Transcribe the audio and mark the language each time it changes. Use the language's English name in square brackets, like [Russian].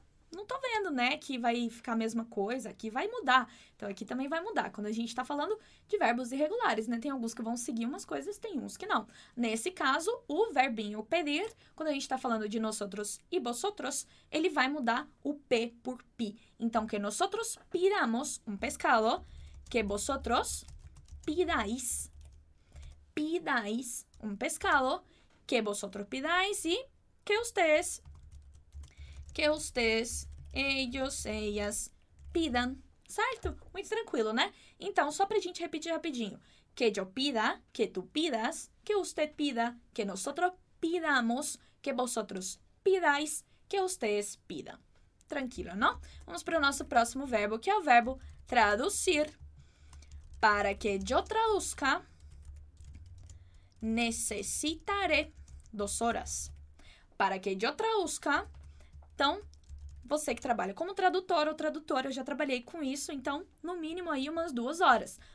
[Portuguese] Não tô vendo, né, que vai ficar a mesma coisa. Aqui vai mudar. Então, aqui também vai mudar. Quando a gente tá falando de verbos irregulares, né? Tem alguns que vão seguir umas coisas, tem uns que não. Nesse caso, o verbinho pedir, quando a gente tá falando de nosotros e vosotros, ele vai mudar o P por pi. [Spanish] Então, que nosotros pidamos um pescado, que vosotros pidáis. Pidáis um pescado, que vosotros pidáis e que ustedes... Que ustedes, ellos, ellas pidan. [Portuguese] Certo? Muito tranquilo, né? Então, só pra gente repetir rapidinho. [Spanish] Que yo pida, que tú pidas, que usted pida, que nosotros pidamos, que vosotros pidáis, que ustedes pidan. [Portuguese] Tranquilo, não? Vamos para o nosso próximo verbo, que é o verbo traduzir. [Spanish] Para que yo traduzca, necesitaré 2 horas. Para que yo traduzca. [Portuguese] Então, você que trabalha como tradutor ou tradutora, eu já trabalhei com isso, então, no mínimo aí umas 2 horas.